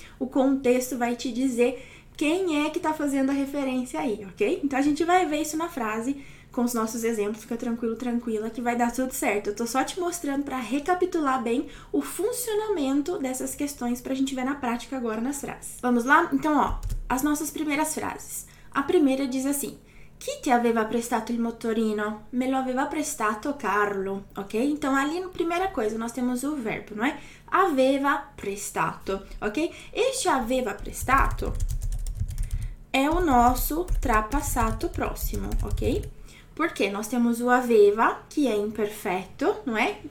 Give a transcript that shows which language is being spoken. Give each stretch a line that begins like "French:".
Portuguese: O contexto vai te dizer quem é que está fazendo a referência aí, ok? Então, a gente vai ver isso na frase com os nossos exemplos. Fica tranquilo, tranquila, que vai dar tudo certo. Eu estou só te mostrando para recapitular bem o funcionamento dessas questões para a gente ver na prática agora nas frases. Vamos lá? Então, ó. As nossas primeiras frases. A primeira diz assim:
Italian: Chi ti aveva prestato il motorino? Me lo aveva prestato Carlo, ok?
Portuguese: Então, ali na primeira coisa, nós temos o verbo, não é? Aveva prestato, ok? Este aveva prestato é o nosso trapassato próximo, ok? Porque nós temos o aveva, que é imperfeito, não é?